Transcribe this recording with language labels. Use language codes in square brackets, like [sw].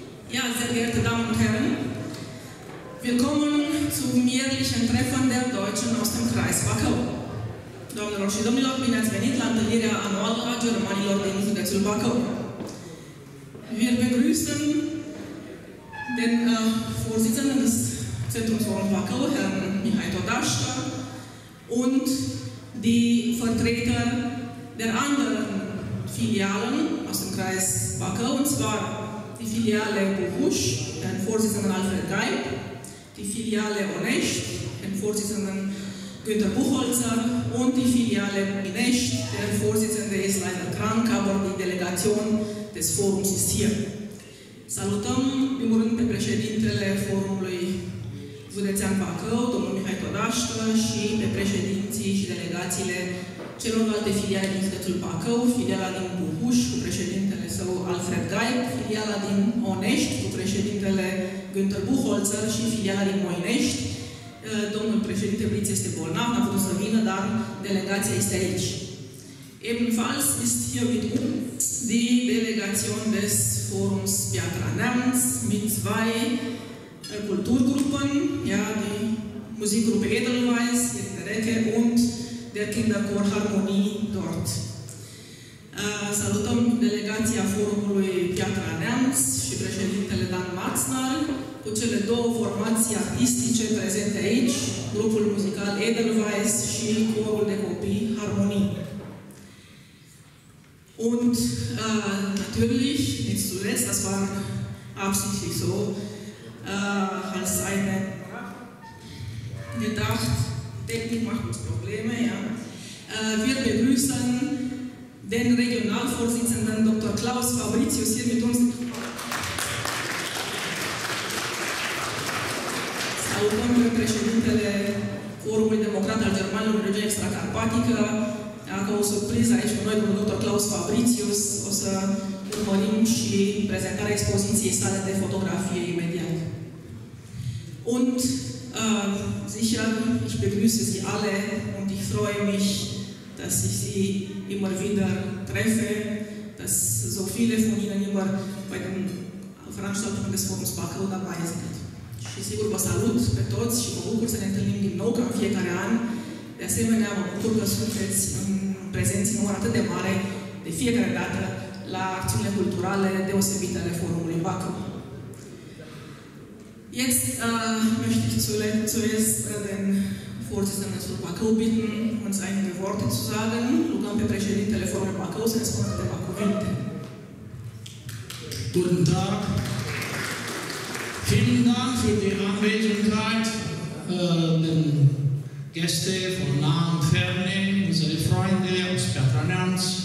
[de] Ja, sehr geehrte Damen und Herren, willkommen zum jährlichen Treffen der Deutschen aus dem Kreis Bacău. [ro] Doamnelor și domnilor, bine ați venit la întâlnirea anuală a germanilor din județul Bacău. [de] Wir begrüßen den Vorsitzenden des Zentrums von Bacău, Herrn Mihai Todașca, und die Vertreter der anderen Filialen aus dem Kreis Bacău, und zwar die Filiale Buhuș, Herrn Vorsitzenden Alfred Geib, die Filiale Onești, Herrn Vorsitzenden Günter Buchholzer, und die Filiale Binești, der Vorsitzende ist leider krank, aber die Delegation des Forums ist hier. [ro] Salutăm, primul rând, pe președintele Forumului Județean Bacău, domnul Mihai Todașca, și pe președinții și delegațiile celorlalte filiale din Județul Bacău, filiala din Buhuș cu președintele său Alfred Gaib, filiala din Onești cu președintele Günter Buchholzer și filiala din Moinești. Domnul președinte Briț este bolnav, n-a putut să vină, dar delegația este aici. [de] Ebenfalls ist hier mit uns die Delegation des Forums Piatra Neamț mit zwei Kulturgruppen, ja, die Musikgruppe Edelweiß in der Ecke und der Kinderchor Harmonie dort. [ro] Salutăm delegația Forumului Piatra Neamț și președintele Dan Maxnal cu cele două formații artistice prezente aici, grupul muzical Edelweiß și corul de copii Harmonie. [de] Und natürlich, nicht zuletzt, das war absichtlich so, als eine gedacht, Technik macht uns Probleme, ja. Wir begrüßen den Regionalvorsitzenden Dr. Klaus Fabricius hier mit uns. [ro] Salutăm pe președintele Forumului Democrat al Germanilor în regiunea extracarpatică. Dacă o surpriză aici cu noi, cu Dr. Klaus Fabricius, o să urmărim și prezentarea expoziției sale de fotografie imediat. [de] Und sicher, ich begrüße Sie alle und ich freue mich, dass ich Sie immer wieder treffe, dass so viele von Ihnen immer bei den Veranstaltungen des Forums Bacău dabei sind. [ro] Și sigur, vă salut pe toți și mă bucur să ne întâlnim din nou ca în fiecare an. De asemenea, mă bucur că sunteți în prezenți în număr atât de mare, de fiecare dată, la acțiunile culturale deosebite ale Forumului Bacău. [de] Jetzt möchte ich zuerst den Vorsitzenden des Forums Bacău bitten, uns einige Worte zu sagen. [ro] Rugăm pe președintele Forumului Bacău să ne spună câteva cuvinte. [de] Guten Tag! Vielen Dank für die Anwesenheit, den Gäste von nah und ferne, unsere Freunde aus Piatra Neamț.